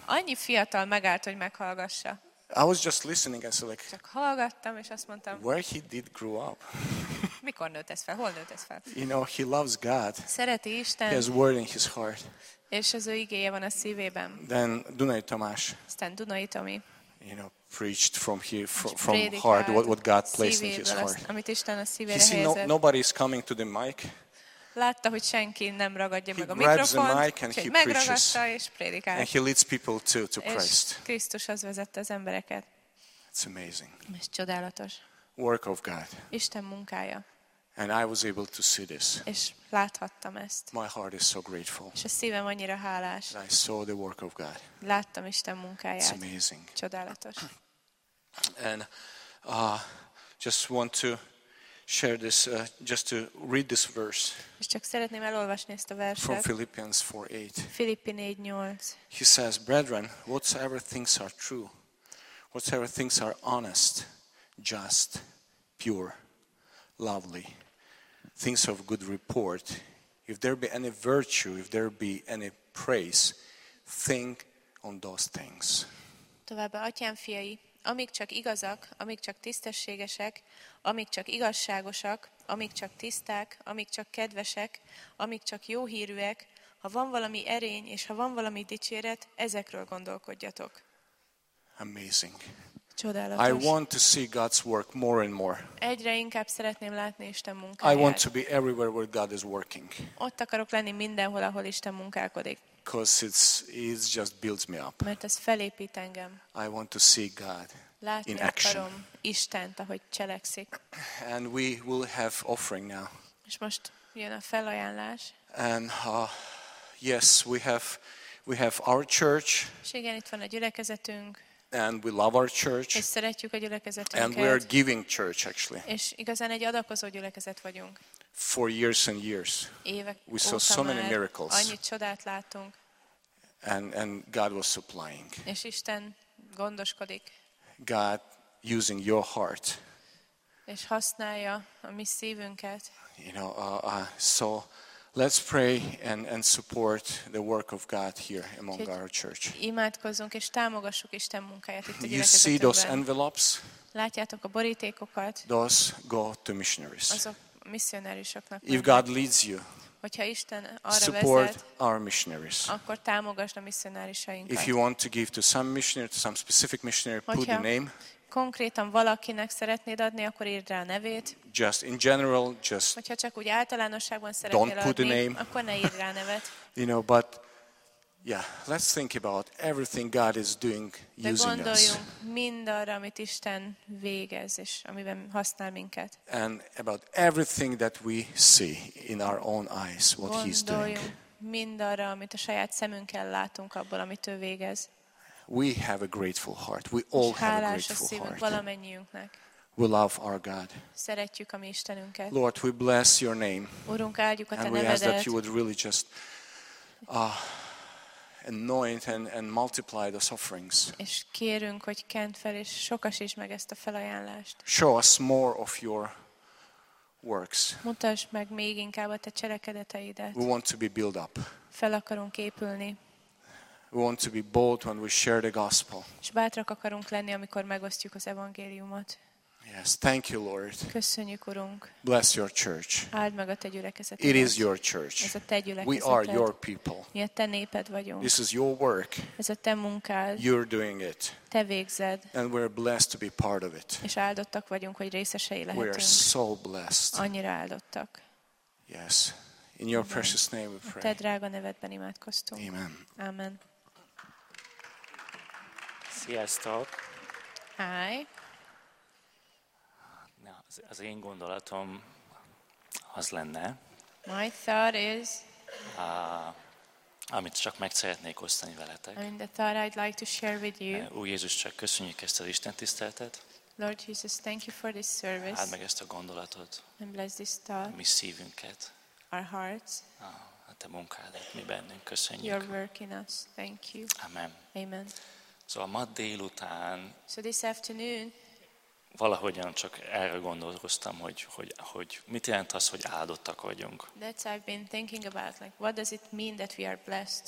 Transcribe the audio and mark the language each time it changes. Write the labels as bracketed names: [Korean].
[Hungarian] Annyi fiatal megállt, hogy meghallgassa. [English] I was just listening and so like. [Hungarian] Csak hallgattam és azt mondtam. [English] Where he did grow up? [Hungarian] Mikor nőtt ez fel? Hol nőtt ez fel? [English] You know, he loves God. [Hungarian] Szereti Isten. [English] He has word in his heart. [Hungarian] És az ő igéje van a szívében. [English] Then Dunai Tamás. [Hungarian] Aztán Dunai Tomi. [English] You know, preached from here, from heart, what God placed in his heart. [Hungarian] Amit Isten a szívére helyezett. [English] He said, nobody is coming to the mic. [Hungarian] Látta, hogy senki nem ragadja [English] he [Hungarian] meg a mikrofont. [English] He grabs the mic and he preaches. [Hungarian] És prédikál. [English] And he leads people to Christ. [Hungarian] És Krisztushoz vezette az embereket. [English] It's amazing. [Hungarian] Ez csodálatos. [English] Work of God. [Hungarian] Isten munkája. [English] And I was able to see this. [Hungarian] És láthattam ezt. [English] My heart is so grateful. [Hungarian] És a szívem annyira hálás. [English] And I saw the work of God. [Hungarian] Láttam Isten munkáját. [English] It's amazing. [Hungarian] Csodálatos. [English] And just want to share this, just to read this verse. [Hungarian] És csak szeretném elolvasni ezt a verset. [English] From Philippians 4:8. [Hungarian] Filippi 4:8. [English] He says, "Brethren, whatsoever things are true, whatsoever things are honest, just, pure, lovely, things of good report, if there be any virtue, if there be any praise, think on those things." [Hungarian] Továbbá, atyám fiai, amik csak igazak, amik csak tisztességesek, amik csak igazságosak, amik csak tiszták, amik csak kedvesek, amik csak jó hírűek, ha van valami erény és ha van valami dicséret, ezekről gondolkodjatok. [English] Amazing. [Hungarian] Csodálatos. [English] I want to see God's work more and more. [Hungarian] Egyre inkább szeretném látni Isten munkáját. [English] I want to be everywhere where God is working. [Hungarian] Ott akarok lenni mindenhol, ahol Isten munkálkodik. [English] Because it just builds me up. [Hungarian] Mert ez felépít engem. [English] I want to see God [Hungarian] látni [English] in action. [Hungarian] Látni akarom Istent, ahogy cselekszik. [English] And we will have offering now. [Hungarian] És most jön a felajánlás. [English] And yes, we have our church. [Hungarian] És igen, itt van a gyülekezetünk. [English] And we love our church. [Hungarian] És szeretjük a gyülekezetünket. [English] And we are giving church actually. [Hungarian] És igazán egy adakozó gyülekezet vagyunk. [English] For years and years. [Hungarian] Évek [English] we saw so many miracles. [Hungarian] Annyi csodát láttunk. [English] And God was supplying. [Hungarian] És Isten gondoskodik. [English] God using your heart. [Hungarian] És használja a mi szívünket. [English] You know, so let's pray and support the work of God here among our church. [Hungarian] Imádkozzunk és támogassuk Isten munkáját itt a gyülekezetben. [English] You see those envelopes? [Hungarian] Látjátok a borítékokat? [English] Those go to missionaries. [Hungarian] Azok misszionárisoknak. [English] If God leads you, [Hungarian] hogyha Isten arra vezet, [English] support our missionaries. [Hungarian] Akkor támogasd a misszionárisainkat. [English] If you want to give to some missionary, to some specific missionary, put the name. [Hungarian] Konkrétan valakinek szeretnéd adni, akkor írd rá a nevét. [English] Just in general, just. [Hungarian] Hogyha csak úgy általánosságban szeretnéd adni, akkor ne írd rá a nevet. [English] You know, but yeah, let's think about everything God is doing using us. [Hungarian] De gondoljunk mindarra, amit Isten végez és amiben használ minket. [English] And about everything that we see in our own eyes, what [Hungarian] gondoljunk [English] He's doing. [Hungarian] Mindarra, amit a saját szemünkkel látunk abból, amit ő végez. [English] We have a grateful heart. We all have a grateful heart. We love our God. [Hungarian] Szeretjük a mi Istenünket. [English] Lord, we bless your name. [Hungarian] Urunk, áldjuk a te nevedet. [English] And we ask that you would really just anoint and multiply those offerings. [Hungarian] És kérünk, hogy kent fel és sokasítsd meg ezt a felajánlást. [English] Show us more of your works. [Hungarian] Mutasd meg még inkább a te cselekedeteidet. [English] We want to be built up. [Hungarian] Fel akarunk épülni. [English] We want to be bold when we share the gospel. [Hungarian] És bátrak akarunk lenni, amikor megosztjuk az evangéliumot. [English] Yes, thank you, Lord. [Hungarian] Köszönjük, Urunk. [English] Bless your church. [Hungarian] Áld meg a te gyülekezetet. [English] It is your church. [Hungarian] Ez a te gyülekezeted. [English] We are your people. [Hungarian] Mi a te néped vagyunk. [English] This is your work. [Hungarian] Ez a te munkád. [English] You're doing it. [Hungarian] Te végzed. [English] And we're blessed to be part of it. [Hungarian] És áldottak vagyunk, hogy részesei lehetünk. [English] We are so blessed. [Hungarian] Annyira áldottak. [English] Yes, in your precious name we pray. [Hungarian] A te drága nevedben imádkoztunk. [English] Amen. [Hungarian] Amen. Sziasztok! [English] Hi! [Hungarian] Na, az én gondolatom az lenne. [English] My thought is... [Hungarian] Amit csak meg szeretnék osztani veletek. [English] And the thought I'd like to share with you. [Hungarian] Új Jézus, csak köszönjük ezt az Isten tiszteletet. [English] Lord Jesus, thank you for this service. [Hungarian] Áld meg ezt a gondolatot. [English] And bless this thought. [Hungarian] Mi szívünket. [English] Our hearts. [Hungarian] A te munkádat mi bennünk. Köszönjük. [English] Your work in us. Thank you. [Hungarian] Amen. [English] Amen. [Hungarian] Szóval ma délután [English] so this afternoon, [Hungarian] valahogyan csak erre gondolkoztam, hogy mit jelent az, hogy áldottak vagyunk. [English] That's I've been thinking about, like what does it mean that we are blessed?